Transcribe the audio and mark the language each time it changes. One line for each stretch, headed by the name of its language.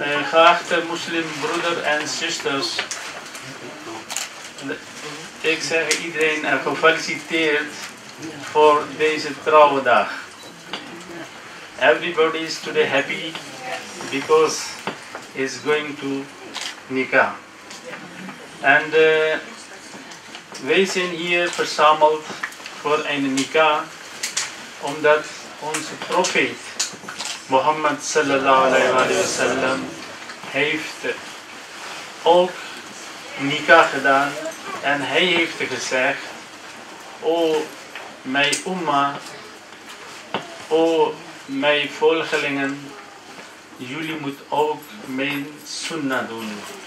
Dutch: Geachte moslim broeder en zusters, ik zeg iedereen gefeliciteerd voor deze trouwe dag.
English: Everybody is today happy because he's going to nikah.
Dutch: En wij zijn hier verzameld voor een nikah, omdat onze profeet Mohammed
Arabic: sallallahu alaihi wa sallam
Dutch: heeft ook nikah gedaan en hij heeft gezegd: O mijn umma, o mijn volgelingen, jullie moeten ook mijn sunnah doen.